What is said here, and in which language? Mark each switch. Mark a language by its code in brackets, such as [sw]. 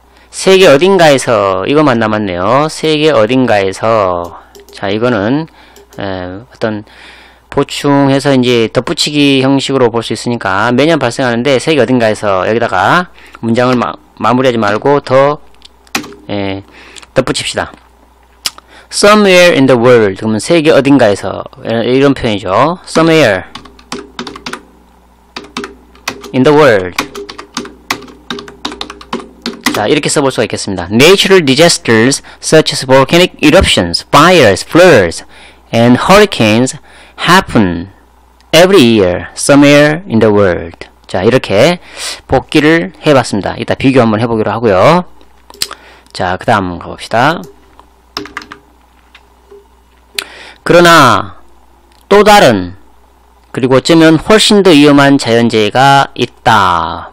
[ko] 세계 어딘가에서, 이것만 남았네요. 세계 어딘가에서, 자, 이거는 어떤 보충해서 이제 덧붙이기 형식으로 볼 수 있으니까 매년 발생하는데 세계 어딘가에서, 여기다가 문장을 마무리하지 말고 더 덧붙입시다. [en] Somewhere in the world, [ko] 그러면 세계 어딘가에서, 이런 표현이죠. [en] Somewhere in the world. [ko] 자, 이렇게 써볼 수가 있겠습니다. [en] Natural disasters such as volcanic eruptions, fires, floods, and hurricanes happen every year somewhere in the world. [ko] 자, 이렇게 복기를 해봤습니다. 이따 비교 한번 해보기로 하고요. 자, 그 다음 가봅시다. 그러나 또 다른, 그리고 어쩌면 훨씬 더 위험한 자연재해가 있다.